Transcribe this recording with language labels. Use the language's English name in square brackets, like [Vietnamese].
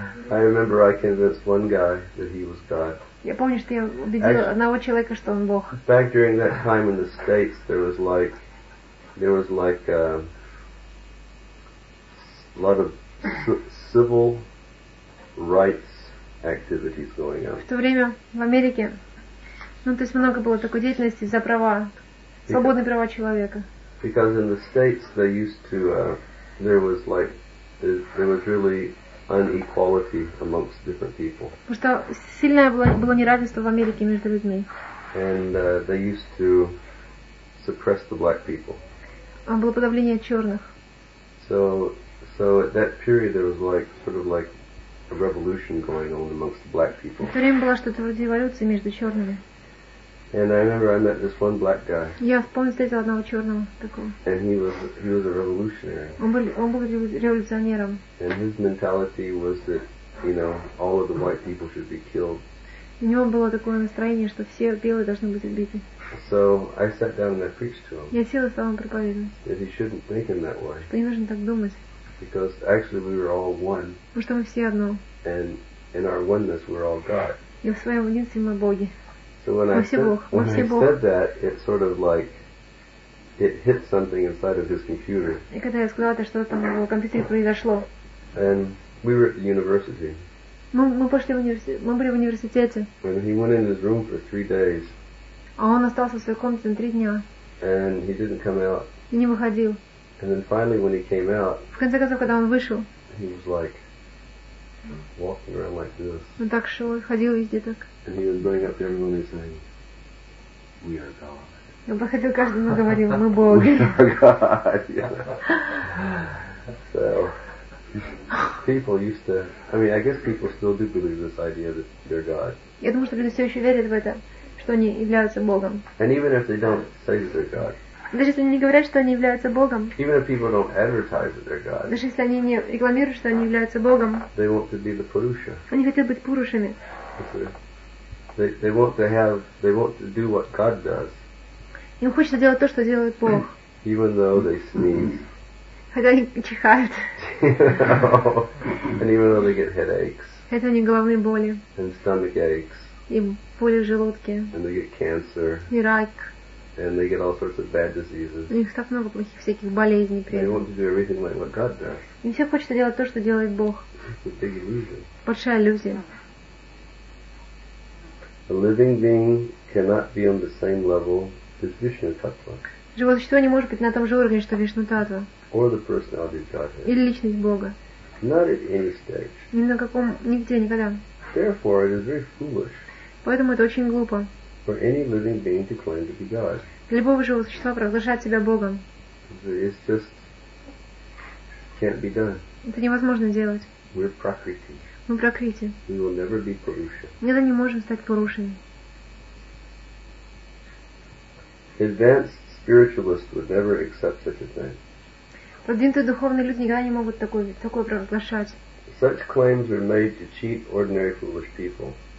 [English] I remember I convinced one guy that he was God. [Russian] Я помню, что я убедила одного человека, что он Бог. [English] Back during that time in the States, there was like a lot of civil rights activities going on. [Russian] В то время в Америке, ну то есть много было такой деятельности за права, свободные права человека. [English] Because in the States they used to, there was really unequality amongst different people. [Russian] Потому что сильное было неравенство в Америке между людьми. [English] And they used to suppress the black people. [Russian] А было подавление черных. [English] So at that period there was like sort of like a revolution going on amongst the black people. [Russian] В то время было что-то вроде революции между черными. [English] And I remember I met this one black guy. [Russian] Я вспомнил, встретил одного черного такого. [English] And he was a revolutionary. [Russian] Он был революционером. [English] And his mentality was that, you know, all of the white people should be killed. [Russian] У него было такое настроение, что все белые должны быть убиты. [English] So I sat down and I preached to him. [Russian] Я сел и стал ему проповедовать. [English] That he shouldn't think in that way. [Russian] Что не нужно так думать. [English] Because actually we were all one. [Russian] Потому что мы все одно. [English] And in our oneness we're all God. [Russian] И в своем единстве мы боги. [English] So when I said that, it sort of like it hit something inside of his computer. [Russian] И когда я сказала, что-то там в его компьютере произошло. [English] And we were at the university. [Russian] Мы были в университете. [English] And he went in his room for 3 days. [Russian] А он остался в своей комнате на 3 дня. [English] And he didn't come out. [Russian] И не выходил. [English] And then finally, when he came out. [Russian] В конце концов, когда он вышел. [English] He was like walking around like this. [Russian] Он так шел, ходил везде так. [English] And he was going up to everyone and saying, "We are God." [Russian] Он проходил каждому и говорил, "Мы Бог." [English] We are God. So people used to. I mean, I guess people still do believe this idea that they're God. [Russian] Я думаю, что люди все еще верят в это, что они являются Богом. [English] And even if they don't say that they're God. [Russian] Даже если они не говорят, что они являются Богом. [English] Even if people don't advertise that they're God. [Russian] Даже если они не рекламируют, что они являются Богом. [English] They want to be the Purusha. [Russian] Они хотят быть Пурушами. [English] They want to do what God does. [Russian] Им хочется делать то, что делает Бог. [English] Even though they sneeze. [Russian] Хотя они чихают. [English] And even though they get headaches. [Russian] Хотя у них головные боли. [English] And stomach aches. [Russian] И боли в желудке. [English] And they get cancer. [Russian] И рак. [English] And they get all sorts of bad diseases. [Russian] У них так много плохих всяких болезней. [English] They want to do everything like what God does. [Russian] Им все хочется делать то, что делает Бог. [English] It's a big illusion. [Russian] Большая иллюзия. [English] A living being cannot be on the same level as Vishnu Tattva. [Russian] Живое существо не может быть на том же уровне, что Вишну Таттва. [English] Or the personality of Godhead. [Russian] Или личность Бога. [English] Not at any stage. [Russian] Ни на каком, нигде, никогда. [English] Therefore, it is very foolish. [Russian] Поэтому это очень глупо. [English] For any living being to claim to be God. [Russian] Для любого живого существа провозглашать себя Богом. [English] It's just can't be done. [Russian] Это невозможно делать. [English] We're Prakriti. [Russian] Мы Пракрити. [English] We will never be Purusha. [Russian] Никогда не можем стать Пурушами. [English] Advanced spiritualists would never accept such a thing. [Russian] Продвинутые духовные люди никогда не могут такое провозглашать. [English] Such claims are made to cheat ordinary foolish people.